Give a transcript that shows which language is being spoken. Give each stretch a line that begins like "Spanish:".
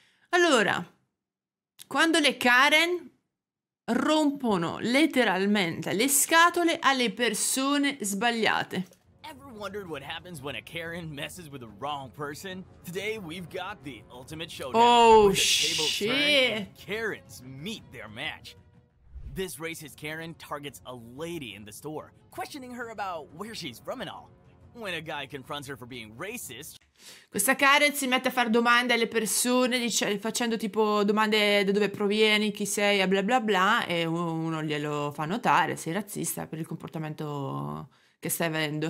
Italian: Allora, quando le Karen rompono letteralmente le scatole alle persone sbagliate.
English: Ever wondered what happens when a Karen messes with the wrong person? Today we've got the ultimate showdown, Oh where the tables turn and shit. Karens meet their match. This racist Karen targets a lady in the store, questioning her about where she's from and all. When a guy confronts her for being racist,
Italian: Questa Karen si mette a fare domande alle persone, dice, facendo tipo domande da dove provieni, chi sei, bla bla bla, e uno glielo fa notare, sei razzista per il comportamento che stai avendo.